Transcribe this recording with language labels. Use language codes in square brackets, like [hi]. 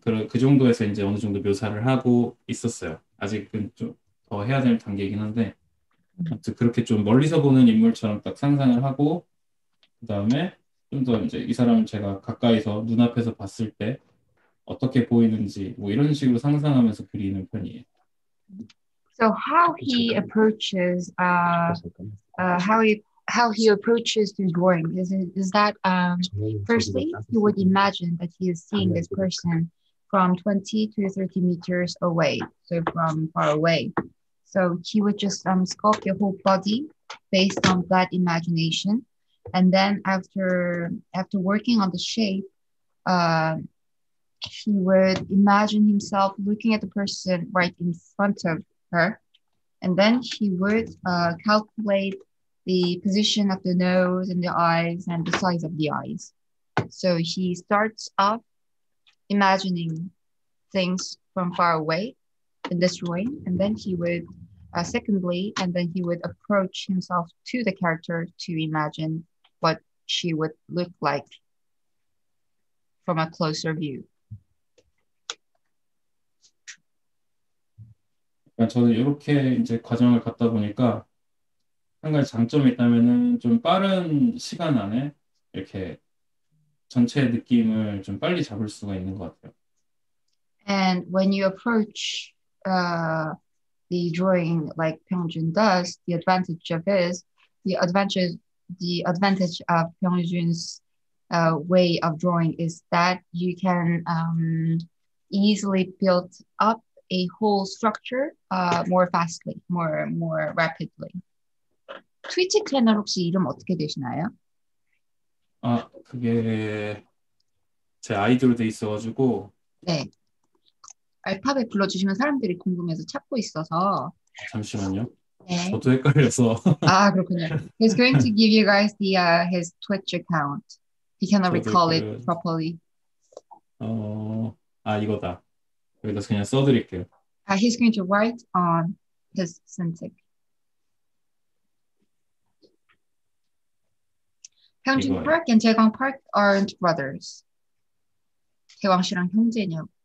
[ko] 그 정도에서 이제 어느 정도 묘사를 하고 있었어요. 아직은 좀 더 해야 될 단계이긴 한데 아무튼 그렇게 좀 멀리서 보는 인물처럼 딱 상상을 하고 그 다음에 좀 더 이제 이 사람을 제가 가까이서 눈앞에서 봤을 때 어떻게 보이는지 뭐 이런 식으로 상상하면서 그리는 편이에요. [en] So how he approaches, how he approaches the drawing is that firstly he would imagine that he is seeing this person from 20 to 30 meters away, so from far away. So he would just sculpt your whole body based on that imagination, and then after working on the shape, he would imagine himself looking at the person right in front of her. And then he would calculate the position of the nose and the eyes and the size of the eyes. So he starts off imagining things from far away in this drawing. And then he would, secondly, and then he would approach himself to the character to imagine what she would look like from a closer view. [ko] 저는 이렇게 이제 과정을 갖다 보니까 한 가지 장점이 있다면은 좀 빠른 시간 안에 이렇게 전체 느낌을 좀 빨리 잡을 수가 있는 것 같아요. [en] And when you approach the drawing like Pyeongjun does, the advantage of is the advantage of Pyeongjun's way of drawing is that you can easily build up a whole structure more fastly, more rapidly. [ko] 트위치 채널 혹시 이름 어떻게 되시나요? 아, 그게 제 아이디로 돼 있어가지고 네. 알파벳 불러주시면 사람들이 궁금해서 찾고 있어서 잠시만요. 네. 저도 헷갈려서 아, 그렇군요. [en] He's going to give you guys the his Twitch account. He cannot recall it properly. [ko] 아, 이거다. 여기다 그냥 써드릴게요. [en] He's going to write on his Cintiq. 평준 Park and 재광 Park aren't brothers. [ko] 재광 씨랑 형제냐?